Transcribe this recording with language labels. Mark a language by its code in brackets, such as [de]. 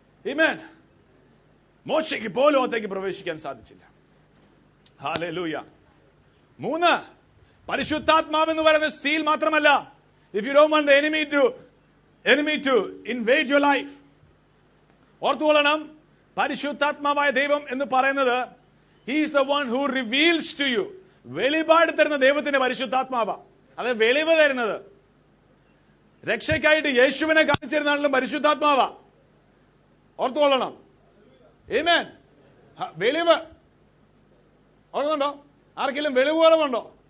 [ml] ആമേൻ. മോശയ്ക്ക് പോലും അകത്തേക്ക് പ്രവേശിക്കാൻ സാധിച്ചില്ല. ഹല്ലേലൂയ. മൂന്ന്, പരിശുദ്ധാത്മാവ് എന്ന് പറയുന്ന സീൽ മാത്രമല്ല, [en] If you don't want the enemy to invade your life. [ml] ഓർത്തുകൊള്ളണം, പരിശുദ്ധാത്മാവായ ദൈവം എന്ന് പറയുന്നത് [en] He is the one who reveals to you. [ml] വെളിപാട് തരുന്ന ദൈവത്തിന്റെ പരിശുദ്ധാത്മാവ, അത് വെളിവ് തരുന്നത്. രക്ഷയ്ക്കായിട്ട് യേശുവിനെ കാണിച്ചിരുന്നാണല്ലോ പരിശുദ്ധാത്മാവ, ഓർത്തുകൊള്ളണം. ആമേൻ. വെളിവ് ഓർക്കുന്നുണ്ടോ? ആർക്കെങ്കിലും വെളിവ് കുറവുണ്ടോ?